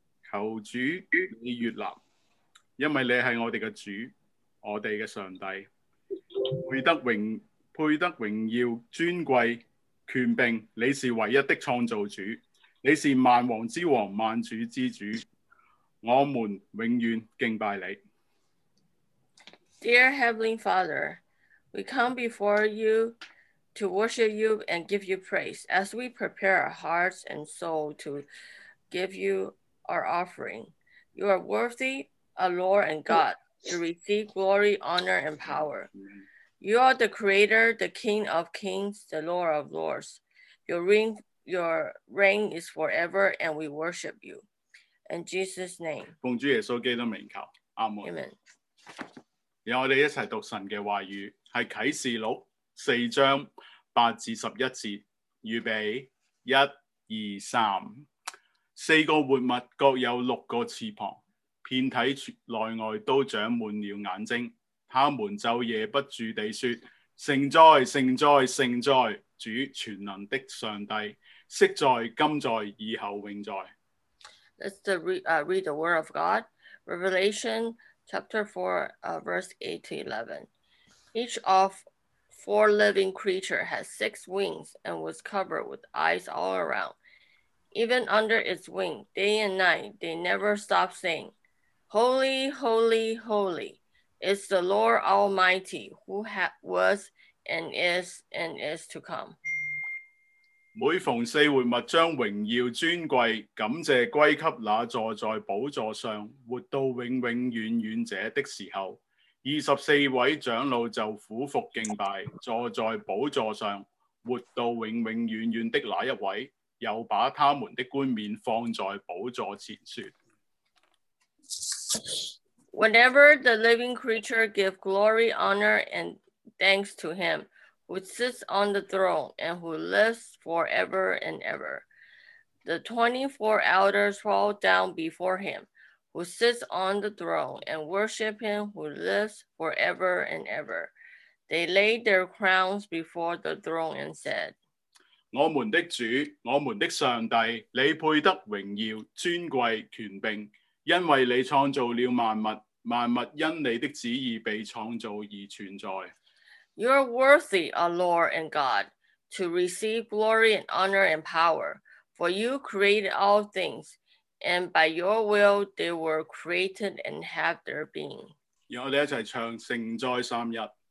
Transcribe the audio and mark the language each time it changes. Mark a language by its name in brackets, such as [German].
[Chinese] 求主你悦纳，因为你是我们的主，我们的上帝，配得荣耀、尊贵、权柄，你是唯一的创造主。你是万王之王，万主之主，我们永远敬拜你。 [English] Dear Heavenly Father, we come before you to worship you and give you praise. As we prepare our hearts and soul to give you our offering, you are worthy, our Lord and God, to receive glory, honor, and power. You are the Creator, the King of Kings, the Lord of Lords. Your reign is forever, and we worship you. In Jesus' name. [Chinese] 奉主耶稣基督名求，阿门。 [English] Amen. [Chinese] 让我们一起读神的话语，是启示录四章八至十一节。预备，一、二、三。四个活物各有六个翅膀，遍体内外都长满了眼睛。他们昼夜不住地说：圣哉，圣哉，圣哉，主全能的上帝。昔在、今在、以后永在。 [English] Let's read the word of God, Revelation chapter 4, verse 8 to 11. Each of four living creatures had six wings and was covered with eyes all around. Even under its wing, day and night, they never stopped saying, Holy, holy, holy is the Lord Almighty who was and is to come. [Chinese] 每逢四活物将荣耀、尊贵、感谢归给那坐在宝座上、活到永永远远者的时候，二十四位长老就俯伏敬拜坐在宝座上、活到永永远远的那一位，又把他们的冠冕放在宝座前，说 [English] ：Whenever the living creature give glory, honor, and thanks to him. Which sits on the throne and who lives forever and ever. The 24 elders fall down before him, who sits on the throne and worship him who lives forever and ever. They laid their crowns before the throne and said, [Chinese] 我们的主，我们的上帝，你配得荣耀、尊贵、权柄，因为你创造了万物，万物因你的旨意被创造而存在。 [English] You are worthy, O Lord and God, to receive glory and honor and power, for you created all things, and by your will they were created and have their being. [Chinese] 让我们一起唱《圣哉三一》。